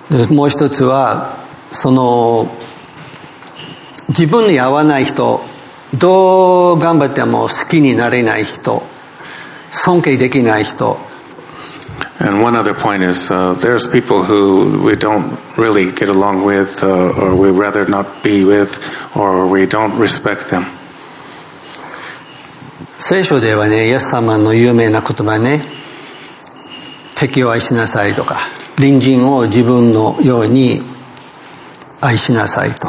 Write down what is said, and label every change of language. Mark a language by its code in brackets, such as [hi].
[ja] もう一つはその自分に合わない人、どう頑張っても好きになれない人、尊敬できない人。 [en] And one other point is there's people who we don't really get along with or we'd rather not be with or we don't respect them. [ja] 聖書ではね、イエス様の有名な言葉ね、敵を愛しなさいとか、隣人を自分のように愛しなさいと。